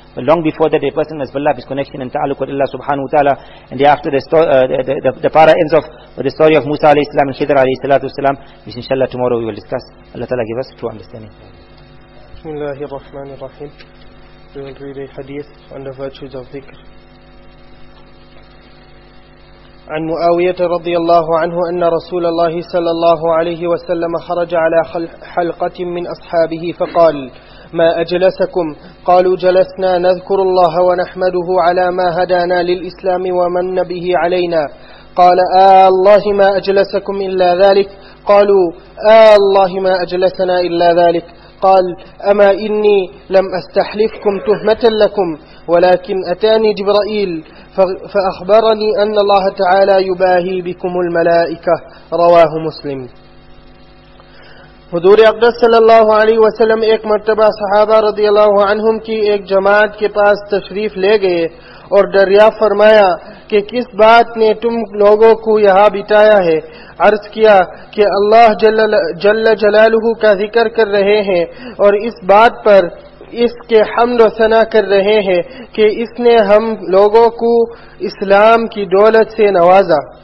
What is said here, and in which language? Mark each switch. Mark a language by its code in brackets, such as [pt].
[en] But long before that, a person has built up his connection and ta'aluk with Allah subhanahu wa ta'ala. And thereafter, the para ends off with the story of Musa alayhi salam and Khidr alayhi salatu salam, which inshallah tomorrow we will discuss. Allah Ta'ala give us true understanding. [ar] Bismillahir Rahmanir Rahim. [en] We will read a hadith on the virtues of dhikr. [ar] عن معاوية رضي الله عنه أن رسول الله صلى الله عليه وسلم خرج على حلقة من أصحابه فقال ما أجلسكم؟ قالوا جلسنا نذكر الله ونحمده على ما هدانا للإسلام ومن به علينا. قال آلله ما أجلسكم إلا ذلك؟ قالوا آلله ما أجلسنا إلا ذلك. قال أما إني لم أستحلفكم تهمة لكم، ولكن أتاني جبرائيل فأخبرني أن الله تعالى يباهي بكم الملائكة. رواه مسلم. [ur] حضور اقدس صلی اللہ علیہ وسلم ایک مرتبہ صحابہ رضی اللہ عنہم کی ایک جماعت کے پاس تشریف لے گئے اور دریافت فرمایا کہ کس بات نے تم لوگوں کو یہاں بٹھایا ہے؟ عرض کیا کہ اللہ جل جلالہ کا ذکر کر رہے ہیں اور اس بات پر اس کے حمد و ثنا کر رہے ہیں کہ اس نے ہم لوگوں کو اسلام کی دولت سے نوازا.